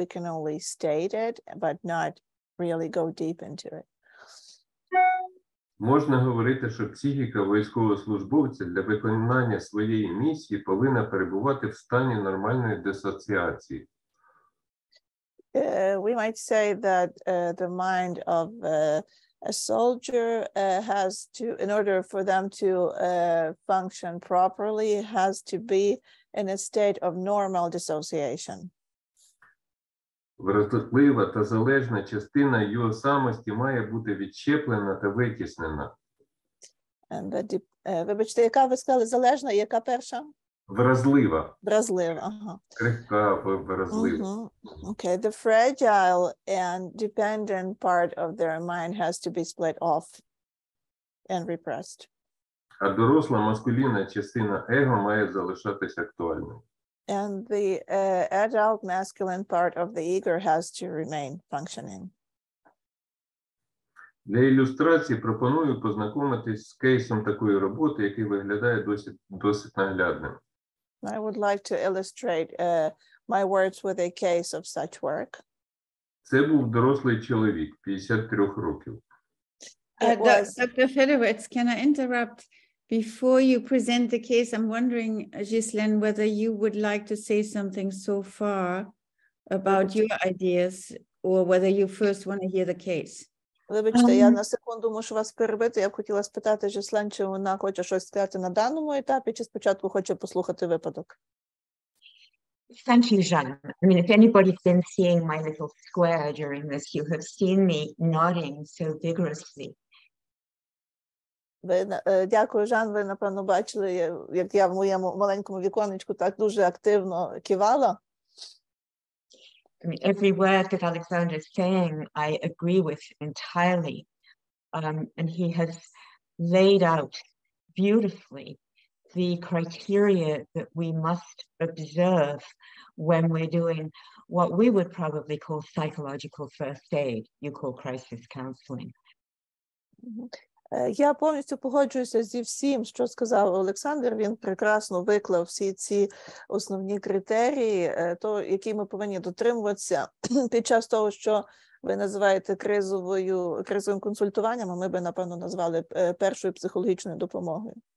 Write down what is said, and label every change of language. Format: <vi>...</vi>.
<en>We can only state it, but not really go deep into it.</en> <uk>Можна говорити, що психіка військовослужбовця для виконання своєї місії повинна перебувати в стані нормальної дисоціації.</uk> <en>We might say that the mind of a soldier has to, in order for them to function properly, has to be in a state of normal dissociation.</en> <uk>Вразлива та залежна частина його самості має бути відщеплена та витіснена. Вибачте, яка ви сказали залежна, яка перша? Вразлива. Вразлива, ага. Крихка, вразлива.</uk> <en>Okay, the fragile and dependent part of their mind has to be split off and repressed.</en> <uk>А доросла маскулінна частина его має залишатися актуальною.</uk> <en>And the adult masculine part of the ego has to remain functioning.</en> <uk>Для ілюстрації пропоную познайомитись з кейсом такої роботи, який виглядає досить наглядним.</uk> <en>I would like to illustrate my words with a case of such work.</en> <uk>Це був дорослий чоловік, 53 років.</uk> <en>Dr. Federowitz, can I interrupt? Before you present the case, I'm wondering, Ghislaine, whether you would like to say something so far about your ideas, or whether you first want to hear the case.</en> <uk>Вибачте, я на секунду мушу вас перебити. Я б хотіла спитати Ghislaine, чи вона хоче щось сказати на даному етапі, чи спочатку хоче послухати випадок.</uk> <en>Thank you, Jeanne. I mean, if anybody's been seeing my little square during this, you have seen me nodding so vigorously.</en> <uk>Дякую, Жан. Ви, напевно, бачили, як я в моєму маленькому віконечку так дуже активно кивала.</uk> <en>I mean, every word that Oleksandr is saying, I agree with entirely. And he has laid out beautifully the criteria that we must observe when we're doing what we would probably call psychological first aid, you call crisis counseling.</en> <uk>Я повністю погоджуюся зі всім, що сказав Олександр. Він прекрасно виклав всі ці основні критерії, то, які ми повинні дотримуватися під час того, що ви називаєте кризовим консультуванням, а ми би, напевно, назвали першою психологічною допомогою.</uk>